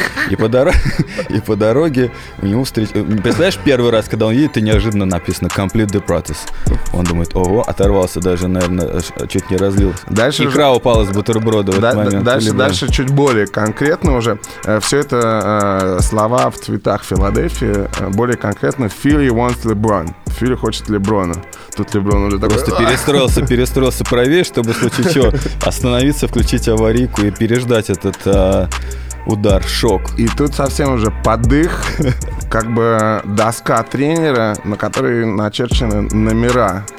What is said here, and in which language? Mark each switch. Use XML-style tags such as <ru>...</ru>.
<ru>И по дороге у него встреча... Представляешь, первый раз, когда он едет, и неожиданно написано</ru> <en>complete the process.</en> <ru>Он думает, ого, оторвался даже, наверное, чуть не разлил. Дальше икра уже... упала с бутерброда в этот момент. Дальше чуть более конкретно уже. Все это слова в цветах Филадельфии. Более конкретно,</ru> <en>Philly wants LeBron.</en> <ru>Philly хочет Леброна. Тут Леброн уже такой... Просто перестроился правее, чтобы в случае чего остановиться, включить аварийку и переждать этот... удар, шок. И тут совсем уже подых, как бы доска тренера, на которой начерчены номера.</ru>